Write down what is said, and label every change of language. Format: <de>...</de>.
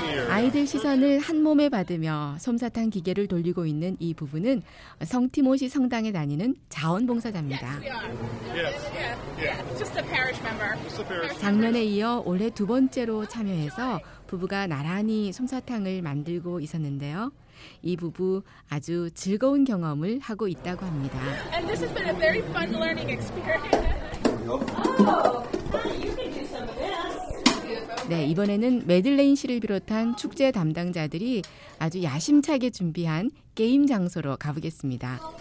<ko>아이들 시선을 한 몸에 받으며 솜사탕 기계를 돌리고 있는 이 부부는 성티모시 성당에 다니는 자원봉사자입니다.</ko> <en>Yes. Yes. Just a parish member. Just a parish member.</en> <ko>작년에 이어 올해 두 번째로 참여해서 부부가 나란히 솜사탕을 만들고 있었는데요. 이 부부 아주 즐거운 경험을 하고 있다고 합니다.</ko> <en>And this has been a very fun learning experience.</en> <ko>네, 이번에는 매들레인 씨를 비롯한 축제 담당자들이 아주 야심차게 준비한 게임 장소로 가보겠습니다.</ko>